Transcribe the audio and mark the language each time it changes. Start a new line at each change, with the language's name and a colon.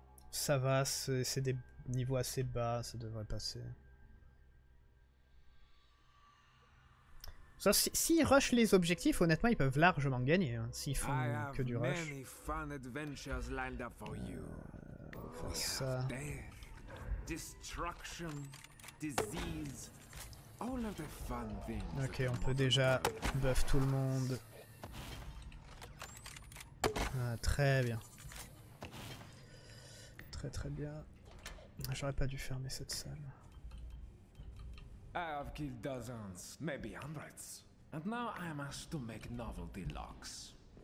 French: Ça va, c'est des niveaux assez bas, ça devrait passer. S'ils rushent les objectifs, honnêtement, ils peuvent largement gagner, hein, s'ils font que du rush.
English: I have lined up for you.
French: Faire ça.
English: Destruction, disease, all of the fun things.
French: Ok, on peut déjà buff tout le monde. Ah, très bien. Très très bien. J'aurais pas dû fermer cette salle.
English: I have killed dozens, maybe hundreds. And now I am asked to make novelty locks.